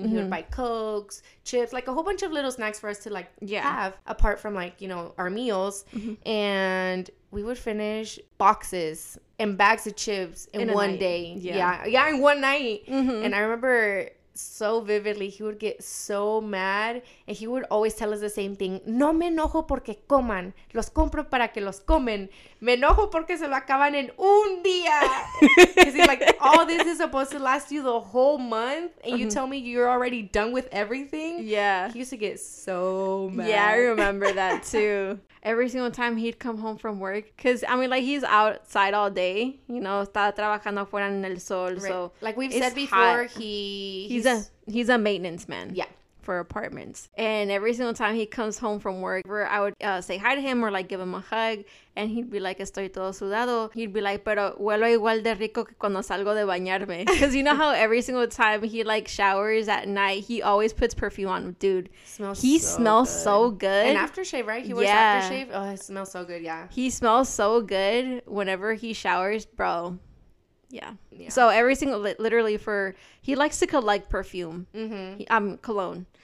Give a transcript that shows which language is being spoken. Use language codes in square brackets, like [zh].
[en] Mm-hmm. He would buy Cokes, chips, like a whole bunch of little snacks for us to like have apart from like, you know, our meals. Mm-hmm. And we would finish boxes and bags of chips in one day. Yeah. Yeah, in one night. Mm-hmm. And I remember so vividly, he would get so mad and he would always tell us the same thing. [es] No me enojo porque coman. Los compro para que los comen. Me enojo porque se lo acaban en un día. [en] Because he's like, all this is supposed to last you the whole month. And you tell me you're already done with everything. Yeah. He used to get so mad. Yeah, I remember that too. Every single time he'd come home from work, because, I mean, like, he's outside all day, you know, [es] está trabajando fuera en el sol, [en] right. So like we've said before, he's a maintenance man. Yeah. For apartments. And every single time he comes home from work, I would say hi to him or, like, give him a hug, and he'd be like, [es] estoy todo sudado. [en] He'd be like, [es] pero huelo igual de rico que cuando salgo de bañarme. [en] Because you know how every single time he, like, showers at night, he always puts perfume on. Dude, he smells so good. And aftershave, right? He wears aftershave. Oh, it smells so good, yeah. He smells so good whenever he showers, bro. Yeah. So every single, literally for, he likes to collect perfume. Mm-hmm. Cologne.